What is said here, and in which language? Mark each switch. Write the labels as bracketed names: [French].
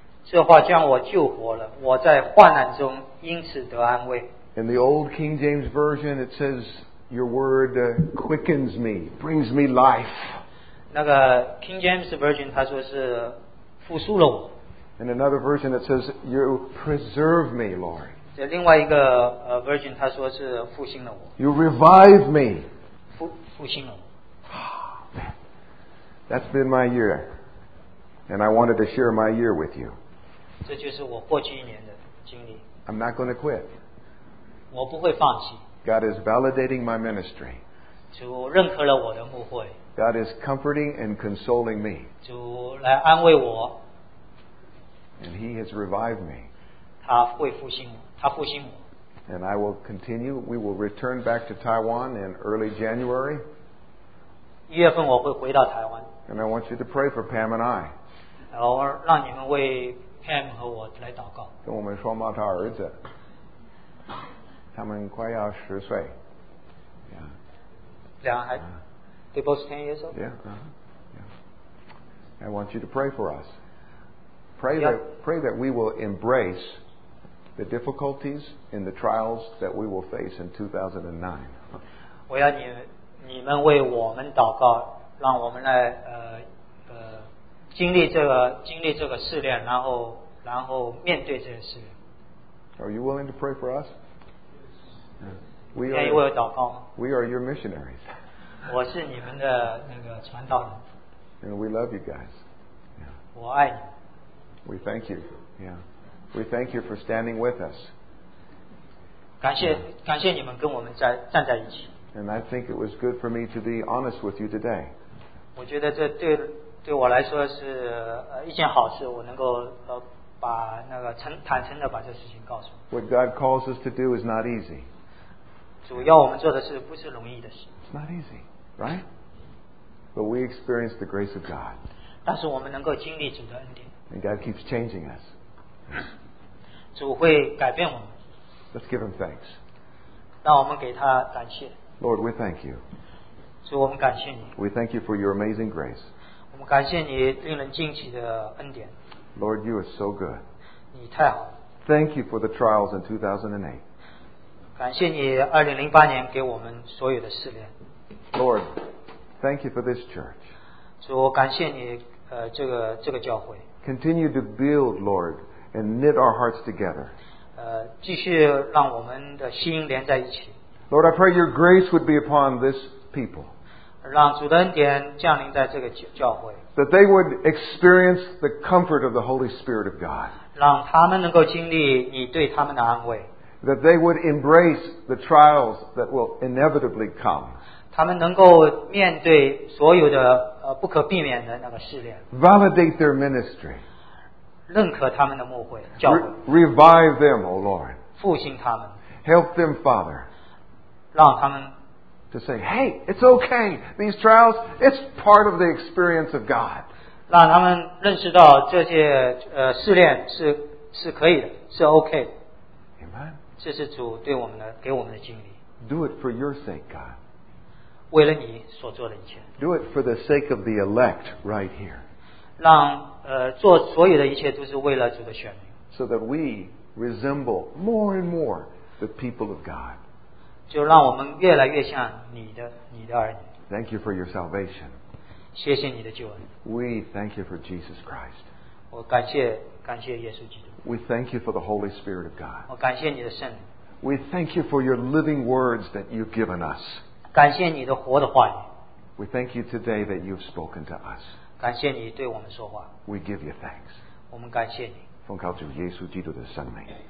[Chinese] 这话将我救活了，我在患难中因此得安慰。 [English] In the old King James Version, it says, "Your word quickens me, brings me life." [Chinese] 那个 King James Version 他说是复苏了我。 [English] In another version, it says, "You preserve me, Lord." [Chinese] 这另外一个version 他说是复兴了我。 [English] You revive me. [Chinese] 复兴了我。 [English] That's been my year, and I wanted to share my year with you. [Chinese] 这就是我过去一年的经历。 [English] I'm not going to quit. [Chinese] 我不会放弃。 [English] God is validating my ministry. [Chinese] 主认可了我的牧会。 [English] God is comforting and consoling me. [Chinese] 主来安慰我。 [English] And He has revived me. [Chinese] 他会复兴我，他复兴我。 [English] And I will continue. We will return back to Taiwan in early January. [Chinese] 一月份我会回到台湾。 [English] And I want you to pray for Pam and I. [Chinese] 然后让你们为Pam 和我来祷告，跟我们双胞胎儿子，他们快要十岁。 [English] Yeah. [Chinese] 两个孩子、 [English] They both 10 years old. Yeah. I want you to pray for us. Pray that we will embrace the difficulties and the trials that we will face in 2009. [Chinese] 我要你们为我们祷告，让我们来经历这个试炼，然后面对这件事。 [English] Are you willing to pray for us? We are. [Chinese] 愿意为我祷告吗？ [English] We are your missionaries. [Chinese] 我是你们的那个传道人。 [English] And we love you guys. [Chinese] 我爱你。 [English] We thank you. Yeah. We thank you for standing with us. [Chinese] 感谢你们跟我们站在一起。 [English] And I think it was good for me to be honest with you today. [Chinese] 我觉得这对我来说是一件好事，我能够把那个坦诚的把这事情告诉你。 [English] What God calls us to do is not easy. [Chinese] 主要我们做的事不是容易的事。 [English] It's not easy, right? But we experience the grace of God. [Chinese] 但是我们能够经历主的恩典。 [English] And God keeps changing us. [Chinese] 主会改变我们。 [English] Let's give Him thanks. [Chinese] 让我们给他感谢。 [English] Lord, we thank you. [Chinese] 主，我们感谢你。 [English] We thank you for your amazing grace. [Chinese] 感谢你令人惊奇的恩典。 [English] Lord, you are so good. [Chinese] 你太好。 [English] Thank you for the trials in 2008. [Chinese] 感谢你2008年给我们所有的试炼。 [English] Lord, thank you for this church. [Chinese] 主，我感谢你这个教会。 [English] Continue to build, Lord, and knit our hearts together. [Chinese] 继续让我们的心连在一起。 [English] Lord, I pray your grace would be upon this people. [Chinese] 让主的恩典降临在这个教会。 [English] That they would experience the comfort of the Holy Spirit of God. [Chinese] 让他们能够经历你对他们的安慰。 [English] That they would embrace the trials that will inevitably come. [Chinese] 他们能够面对所有的不可避免的那个试炼。 [English] Validate their ministry. [Chinese] 认可他们的牧会教会。 [English] Revive them, O Lord. [Chinese] 复兴他们。 [English] Help them, Father. [Chinese] 让他们 [English] To say, hey, it's okay. These trials, it's part of the experience of God. [Chinese] 让他们认识到这些试炼是可以的，是 OK 的。 [English] Amen. [Chinese] 这是主对我们的给我们的经历。 [English] Do it for your sake, God. [Chinese] 为了你所做的一切。 [English] Do it for the sake of the elect right here. [Chinese] 让做所有的一切都是为了主的选民。 [English] So that we resemble more and more the people of God. [Chinese] 就让我们越来越像你的儿女。 [English] Thank you for your salvation. [Chinese] 谢谢你的救恩。 [English] We thank you for Jesus Christ. [Chinese] 我感谢耶稣基督。 [English] We thank you for the Holy Spirit of God. [Chinese] 我感谢你的圣灵。 [English] We thank you for your living words that you've given us. [Chinese] 感谢你的活的话语。 [English] We thank you today that you've spoken to us. [Chinese] 感谢你对我们说话。 [English] We give you thanks. [Chinese] 我们感谢你。奉靠主耶稣基督的圣名。